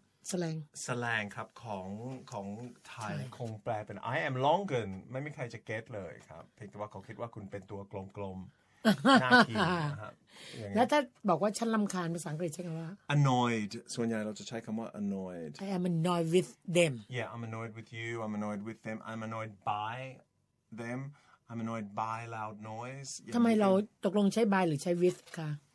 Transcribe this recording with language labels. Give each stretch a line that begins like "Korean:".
Thai: slang ครับของไทยคงแปลเป็น I am longer ไม่มีใครจะเก็ตเลยครับเพียงแต่ว่าเขาคิดว่าคุณเป็นตัวกลมๆ น่ากิน นะครับแล้วถ้าบอกว่าฉันรำคาญภาษาอังกฤษใช้คำว่า annoyed ส่วนใหญ่เราจะใช้คำว่า annoyed
English: I am annoyed with them Yeah I'm annoyed with you I'm annoyed with them I'm annoyed by themI'm annoyed by loud noise.
Thai: ทำไมเราตกลงใช้ by หรือใช้ with คะ